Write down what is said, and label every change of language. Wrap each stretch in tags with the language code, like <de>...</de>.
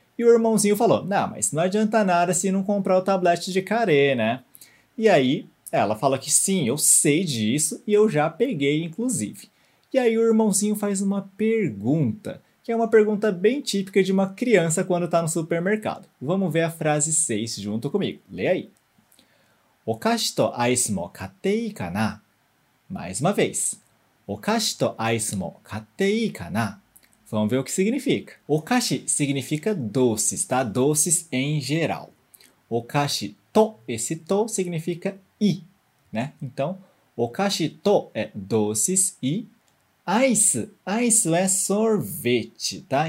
<pt>E o irmãozinho falou, não, mas não adianta nada se não comprar o tablete de kare, né? E aí, ela fala que sim, eu sei disso e eu já peguei, inclusive. E aí, o irmãozinho faz uma pergunta, que é uma pergunta bem típica de uma criança quando está no supermercado. Vamos ver a frase 6 junto comigo. Lê aí.</pt> <ja>お菓子とアイスも買っていいかな?</ja> <pt>Mais uma vez.</pt> <ja>お菓子とアイスも買っていいかな?</ja> <pt>Vamos ver o que significa. お菓子 significa doces, tá? Doces em geral.</pt> <ja>お菓子と,</ja> <pt>esse と significa i, né? Então,</pt> <ja>お菓子と</ja> <pt>é doces e ice é sorvete, tá?</pt>